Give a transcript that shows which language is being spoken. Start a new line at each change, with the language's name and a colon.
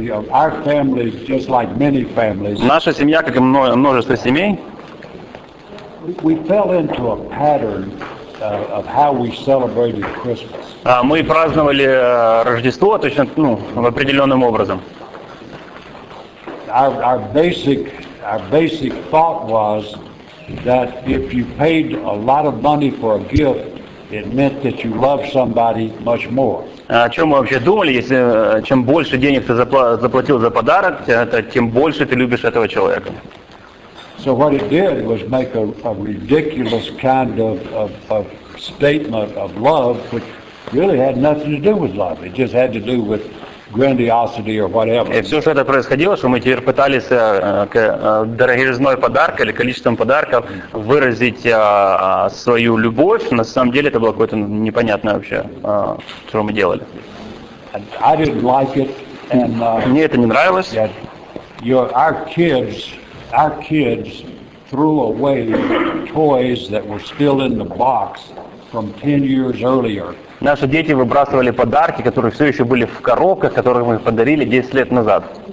English: Our families, just like many families.
Russian: Наша семья, как и множество семей.
English: We fell into a pattern of how we celebrated Christmas.
Russian: Мы праздновали Рождество точно, ну, в определенном образом.
English: Our basic thought was that if you paid a lot of money for a gift, it meant that you loved somebody much more.
Russian: О чем мы вообще думали, если чем больше денег ты заплатил за подарок, тем больше ты любишь этого человека.
English: So what it did was make a ridiculous kind of statement of love, which really had nothing to do with love. It just had to do with grandiosity or whatever.
Russian: И все, что это происходило, что мы теперь пытались дороговизной подарка или количеством подарков выразить свою любовь, на самом деле это было какое-то непонятное вообще, что мы делали.
English: I didn't like it. And,
Russian: мне это не нравилось.
English: Our kids threw away toys that were still in the box from 10 years earlier.
Russian: Наши дети выбрасывали подарки, которые все еще были в коробках, которые мы подарили 10 лет назад.